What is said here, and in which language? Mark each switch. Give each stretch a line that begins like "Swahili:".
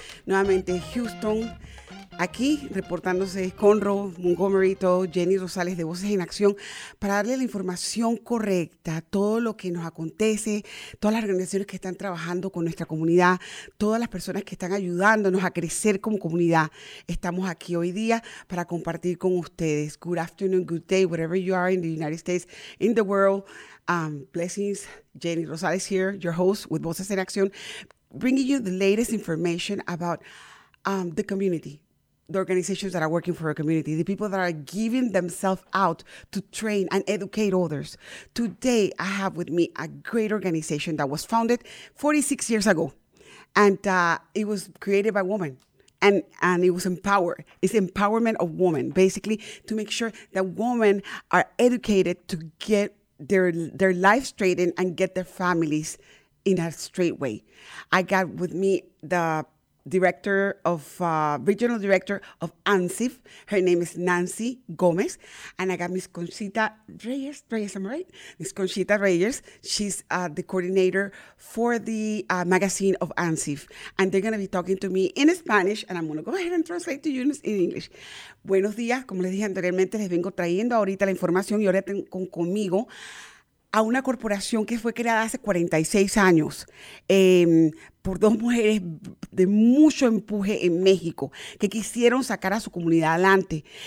Spanish: Nuevamente Houston, aquí reportándose Conroe, Montgomery, todo, Jenny Rosales de Voces en Acción, para darle la información correcta, todo lo que nos acontece, todas las organizaciones que están trabajando con nuestra comunidad, todas las personas que están ayudándonos a crecer como comunidad. Estamos aquí hoy día para compartir con ustedes.
English: Good afternoon, good day, wherever you are in the United States, in the world. Blessings. Jenny Rosales here, your host with Voces en Acción, bringing you the latest information about the community. The organizations that are working for a community, the people that are giving themselves out to train and educate others. Today, I have with me a great organization that was founded 46 years ago. And it was created by women. And it was empowered. It's empowerment of women, basically, to make sure that women are educated to get their life straightened and get their families in a straight way. I got with me the director of, regional director of ANSIF. Her name is Nancy Gomez. And I got Miss Conchita Reyes. Reyes, am I right? Miss Conchita Reyes. She's the coordinator for the magazine of ANSIF. And they're going to be talking to me in Spanish. And I'm going to go ahead and translate to you in English.
Spanish: Buenos días. Como les dije anteriormente, les vengo trayendo ahorita la información. Y ahora tengo conmigo a una corporación que fue creada hace 46 años por dos mujeres de mucho empuje en México que quisieron sacar a su comunidad adelante.